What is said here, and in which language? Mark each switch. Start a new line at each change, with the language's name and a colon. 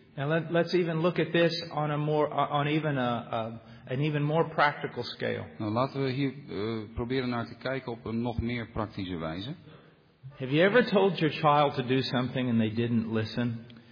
English: Now let's even look at this on a more, on even an even more practical scale.
Dutch: Nou, laten we hier proberen naar te kijken op een nog meer praktische wijze.
English: Have you ever told your child to do something and they didn't listen?